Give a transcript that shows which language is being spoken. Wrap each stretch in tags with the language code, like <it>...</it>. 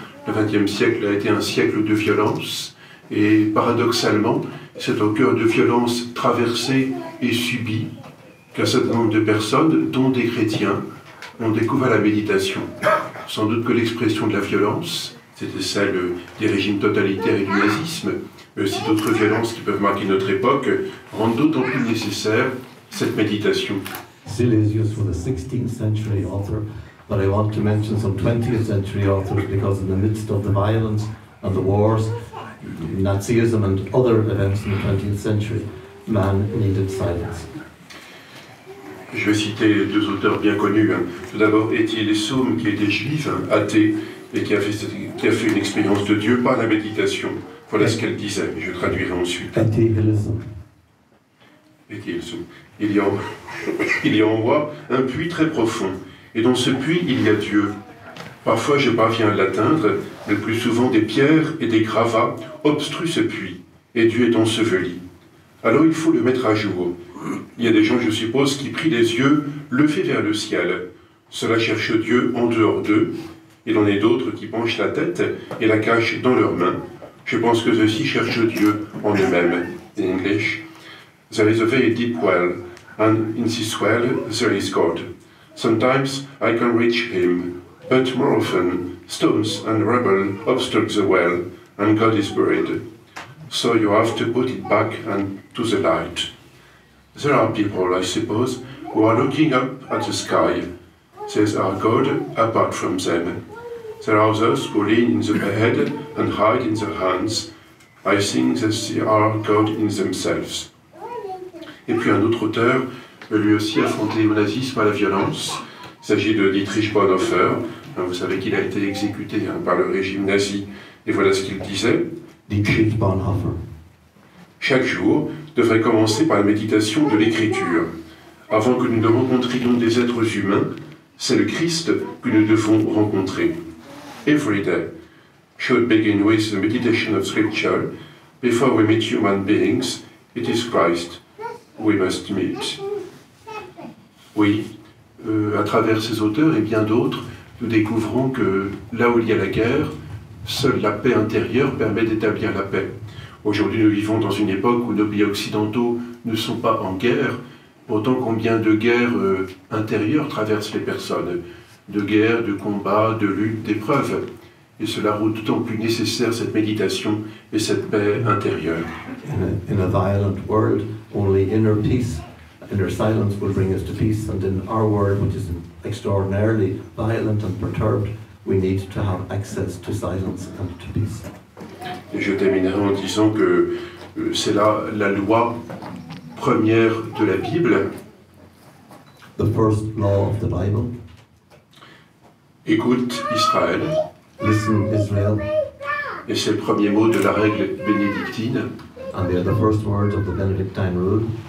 <fr>Le XXe siècle a été un siècle de violence, et paradoxalement, c'est au cœur de violences traversées et subies qu'un certain nombre de personnes, dont des chrétiens, ont découvert la méditation. Sans doute que l'expression de la violence, c'était celle des régimes totalitaires et du nazisme, mais aussi d'autres violences qui peuvent marquer notre époque, rendent d'autant plus nécessaire cette méditation.</fr> <en>Silesius was a 16th century author, but I want to mention some 20th century authors because in the midst of the violence and the wars, Nazism and other events in the 20th century, man needed silence.</en> <fr>Je vais citer deux auteurs bien connus. Tout d'abord, Étienne Somme, qui était juif, athée, et qui a fait une expérience de Dieu par la méditation. Voilà ce qu'elle disait, je traduirai ensuite. Étienne Somme. Il y a en moi un puits très profond, et dans ce puits, il y a Dieu. Parfois, je parviens à l'atteindre, mais plus souvent, des pierres et des gravats obstruent ce puits, et Dieu est enseveli. Alors, il faut le mettre à jour. Il y a des gens, je suppose, qui prient les yeux levés vers le ciel. Cela cherche Dieu en dehors d'eux. Il en est d'autres qui penchent la tête et la cachent dans leurs mains. Je pense que ceux-ci cherchent Dieu en eux-mêmes.</fr> <en>In English. There is a very deep well, and in this well there is God. Sometimes I can reach him, but more often stones and rubble obstruct the well, and God is buried. So you have to put it back and to the light. There are people, I suppose, who are looking up at the sky. There are God apart from them. There are those who lean in the head and hide in their hands. I think that they are God in themselves.</en> <fr>Et puis un autre auteur, lui aussi affronté au nazisme, à la violence. Il s'agit de Dietrich Bonhoeffer. Vous savez qu'il a été exécuté par le régime nazi. Et voilà ce qu'il disait. Dietrich Bonhoeffer. Chaque jour devrait commencer par la méditation de l'écriture. Avant que nous ne rencontrions des êtres humains, c'est le Christ que nous devons rencontrer.</fr> <en>Every day should begin with the meditation of scripture. Before we meet human beings, it is Christ. We must meet.</en> <fr>Oui, à travers ces auteurs et bien d'autres, nous découvrons que là où il y a la guerre, seule la paix intérieure permet d'établir la paix. Aujourd'hui, nous vivons dans une époque où nos pays occidentaux ne sont pas en guerre. Pourtant, combien de guerres intérieures traversent les personnes? de guerre, de combat, de lutte, d'épreuves. Et cela rend d'autant plus nécessaire cette méditation et cette paix intérieure.</fr> <en>In a violent world, only inner peace, inner silence will bring us to peace. And in our world, which is extraordinarily violent and perturbed, we need to have access to silence and to peace.</en> <fr>Et je terminerai en disant que c'est là la loi première de la Bible.</fr> <en>The first law of the Bible.</en> <fr>Écoute Israël.</fr> <en>Listen Israel.</en> <fr>Et c'est le premier mot de la règle bénédictine.</fr> <en>And they are the first words of the Benedictine rule.</en>